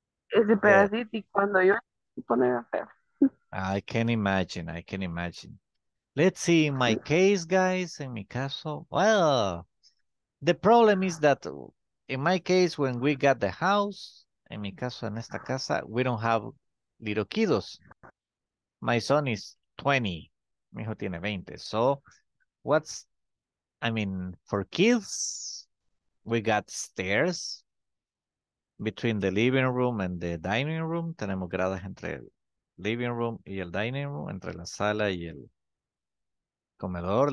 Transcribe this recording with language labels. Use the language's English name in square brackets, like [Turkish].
[Spanish] Ese pedacito y cuando yo pone a feo. [English] I can imagine. Let's see, in my case, guys, in mi caso, well, the problem is that in my case, when we got the house, in mi caso, [Spanish] en esta casa, [English] we don't have little kiddos. My son is 20. [Spanish] Mi hijo tiene 20. [English] So, for kids, we got stairs between the living room and the dining room. [Spanish] Tenemos gradas entre el living room y el dining room, entre la sala y el comedor.